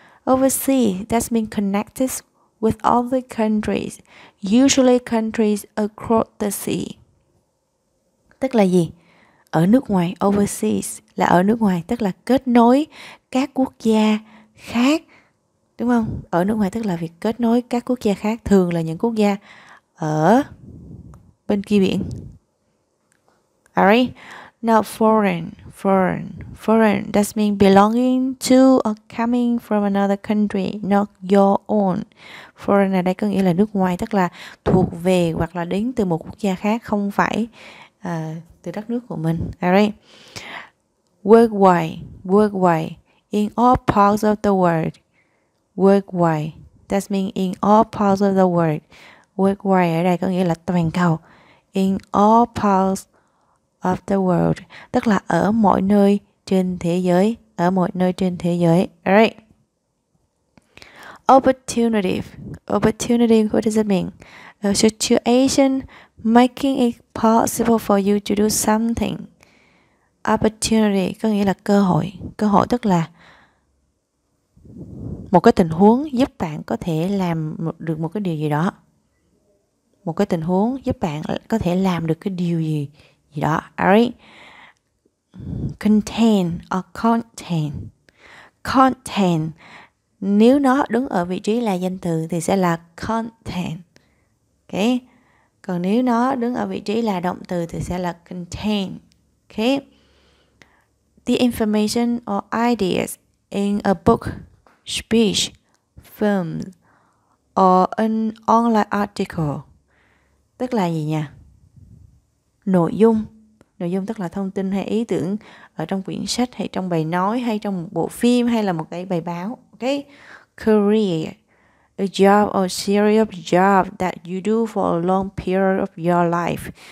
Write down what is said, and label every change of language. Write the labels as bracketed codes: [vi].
[en] Overseas, that's mean connected with other countries, usually countries across the sea. [vi] Tức là gì? Ở nước ngoài, overseas, là ở nước ngoài, tức là kết nối các quốc gia khác. Đúng không? Ở nước ngoài tức là việc kết nối các quốc gia khác, thường là những quốc gia ở bên kia biển. [en] Alright, now foreign. Foreign. Foreign, that means belonging to or coming from another country, not your own. [vi] Foreign ở đây có nghĩa là nước ngoài, tức là thuộc về hoặc là đến từ một quốc gia khác, không phải từ đất nước của mình. [en] Alright. Worldwide. Worldwide. In all parts of the world. Worldwide. That means in all parts of the world. [vi] Worldwide ở đây có nghĩa là toàn cầu. [en] In all parts of the world, [vi] tức là ở mọi nơi trên thế giới, ở mọi nơi trên thế giới. [en] Alright. Opportunity. Opportunity, what does it mean? A situation making it possible for you to do something. [vi] Opportunity có nghĩa là cơ hội. Cơ hội tức là một cái tình huống giúp bạn có thể làm được một cái điều gì đó. Một cái tình huống giúp bạn có thể làm được cái điều gì gì đó. Alright. [en] Contain or contain. Contain. [vi] Nếu nó đứng ở vị trí là danh từ thì sẽ là contain. Ok. Còn nếu nó đứng ở vị trí là động từ thì sẽ là contain. [en] Ok. The information or ideas in a book, speech, film, or an online article. [vi] Tức là gì nhỉ? Nội dung. Nội dung tức là thông tin hay ý tưởng ở trong quyển sách hay trong bài nói hay trong một bộ phim hay là một cái bài báo. [en] Okay? Career. A job or series of jobs that you do for a long period of your life.